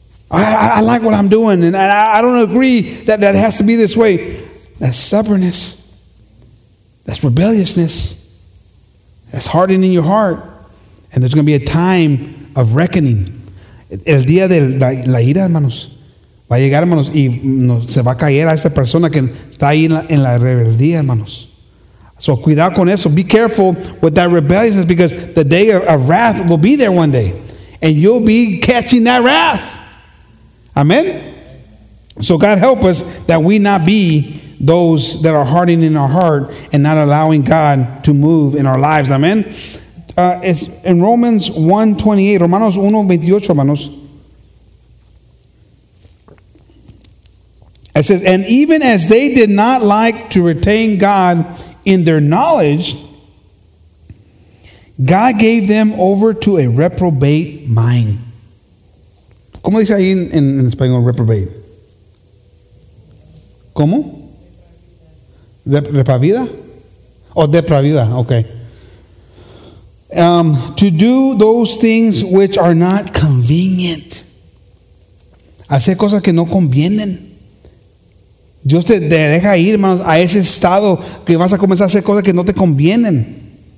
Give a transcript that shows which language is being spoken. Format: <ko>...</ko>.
<en>I like what I'm doing, and I don't agree that has to be this way. That's stubbornness. That's rebelliousness. That's hardening your heart. And there's going to be a time of reckoning.</en> <es>El día de la ira, hermanos. Va a llegar, hermanos, y se va a caer a esta persona que está ahí en la rebeldía, hermanos. So, cuidado con eso.</es> <en>Be careful with that rebelliousness, because the day of wrath will be there one day. And you'll be catching that wrath. Amen. So God help us that we not be those that are hardening our heart and not allowing God to move in our lives. Amen. It's in Romans 1:28,</en> <es>Romanos 1:28, hermanos.</es> <en>It says, and even as they did not like to retain God in their knowledge, God gave them over to a reprobate mind.</en> <es>¿Cómo dice ahí en español reprobate? ¿Cómo? ¿Repavida? O depravida, okay.</es> <en>To do those things which are not convenient.</en> <es>Hacer cosas que no convienen. Dios te deja ir, hermanos, a ese estado que vas a comenzar a hacer cosas que no te convienen.</es>